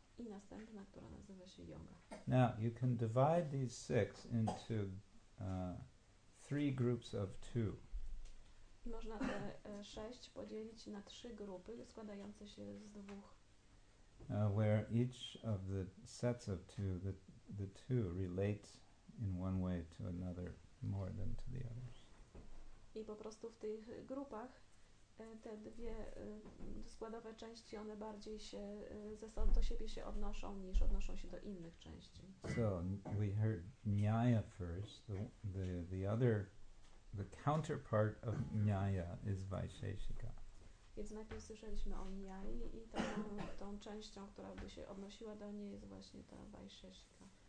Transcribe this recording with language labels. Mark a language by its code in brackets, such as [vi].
[pl] I następna, która nazywa się Yoga. [en] Now, you can divide these six into three groups of two. [pl] I można te sześć podzielić na trzy grupy składające się z dwóch. [en] Where each of the sets of two, the two relate in one way to another more than to the others. [pl] I po prostu w tych grupach te dwie składowe części, one bardziej się do siebie się odnoszą niż odnoszą się do innych części. [en] So we heard Nyaya first. The other, the counterpart of Nyaya is Vaisheshika. [pl] Więc najpierw słyszeliśmy o Nyayi i tą częścią, która by się odnosiła do niej, jest właśnie ta Vaisheshika.